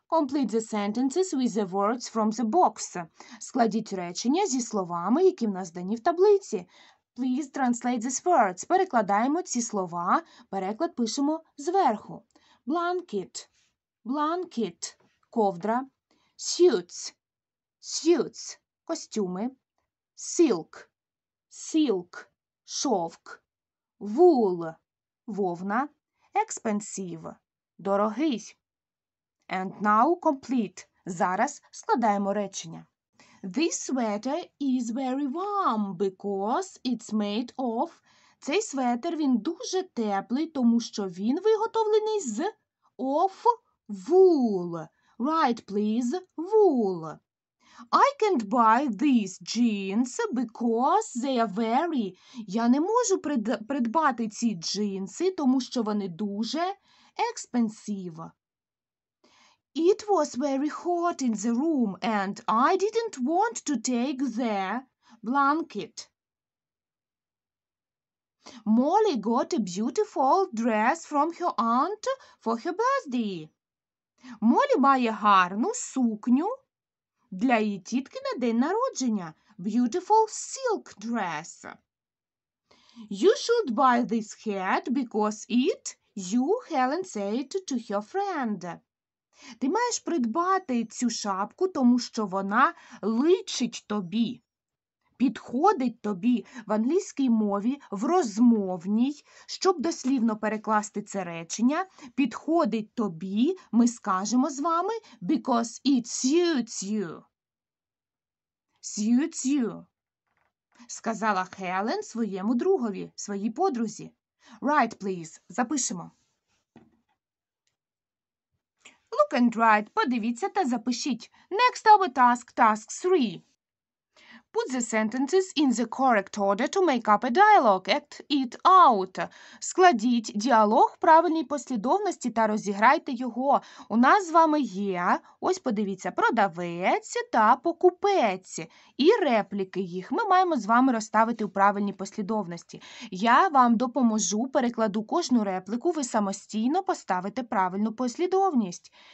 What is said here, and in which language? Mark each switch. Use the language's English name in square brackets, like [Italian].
[English] Complete the sentences with the words from the box. [Ukrainian] Складіть речення зі словами, які в нас дані в таблиці. [English] Please translate these words. [Ukrainian] Перекладаємо ці слова. Переклад пишемо зверху. Blanket. Blanket. Ковдра. Suits. Suits. Костюми. Silk. Silk. Шовк. Wool. Вовна. [English] Expensive. Дорогий. And now complete. [Ukrainian] Зараз складаємо речення. [English] This sweater is very warm because it's made of... [Ukrainian] Цей светер, він дуже теплий, тому що він виготовлений з... [English] Of wool. Write, please, wool. I can't buy these jeans because they are very... [Ukrainian] Я не можу придбати ці джинси, тому що вони дуже expensive. [English] It was very hot in the room and I didn't want to take the blanket. Molly got a beautiful dress from her aunt for her birthday. [Ukrainian] Молі має гарну сукню для її тітки на день народження. [English] Beautiful silk dress. You should buy this hat because it you, Helen said to her friend. [Ukrainian] Ти маєш придбати цю шапку, тому що вона личить тобі. Підходить тобі в англійській мові, в розмовній, щоб дослівно перекласти це речення. Підходить тобі, ми скажемо з вами, [English] because it suits you. Suits you. [Ukrainian] Сказала Хелен своєму другові, своїй подрузі. [English] Write, please. [Ukrainian] Запишемо. [English] Look and write. [Ukrainian] Подивіться та запишіть. [English] Next our task, task 3. Put the sentences in the correct order to make up a dialogue. Act it out. [Ukrainian] Складіть діалог в правильній послідовності та розіграйте його. У нас з вами є, ось подивіться, продавець та покупець. І репліки їх ми маємо з вами розставити у правильній послідовності. Я вам допоможу, перекладу кожну репліку, ви самостійно поставите правильну послідовність.